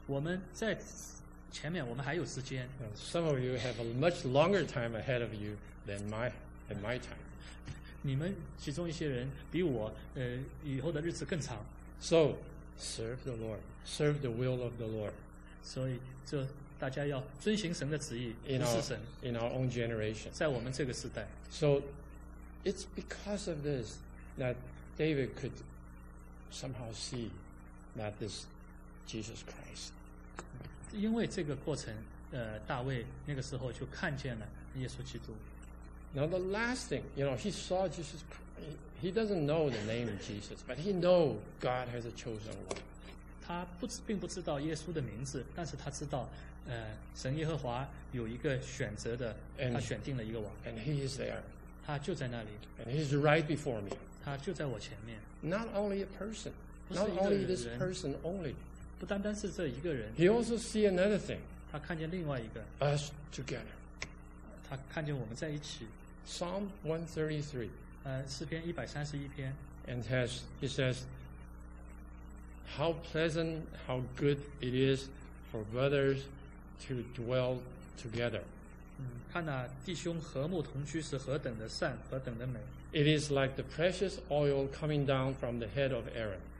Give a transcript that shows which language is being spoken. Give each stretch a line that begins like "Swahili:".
Chinese: 我们在前面，我们还有时间。
English: Some of you have a much longer time ahead of you than my time.
Chinese: 你们其中一些人比我以后的日子更长。
English: So serve the Lord, serve the will of the Lord.
Chinese: 所以就大家要遵循神的旨意，不是神。
English: In our own generation.
Chinese: 在我们这个时代。
English: So it's because of this. That David could somehow see that this Jesus Christ.
Chinese: 因为这个过程，大卫那个时候就看见了耶稣基督。
English: Now the last thing, you know, he saw Jesus. He doesn't know the name of Jesus, but he knows God has a chosen one.
Chinese: 他并不知道耶稣的名字，但是他知道，神耶和华有一个选择的，他选定了一个王。
English: And he is there.
Chinese: 他就在那里。
English: And he's right before me.
Chinese: 他就在我前面。
English: Not only a person, not only this person only.
Chinese: 不单单是这一个人。
English: He also see another thing.
Chinese: 他看见另外一个。
English: Us together.
Chinese: 他看见我们在一起。
English: Psalm 133.
Chinese: 诗篇131篇。
English: And he says, How pleasant, how good it is for brothers to dwell together.
Chinese: 看哪，弟兄和睦同居是何等的善，何等的美。
English: It is like the precious oil coming down from the head of Aaron.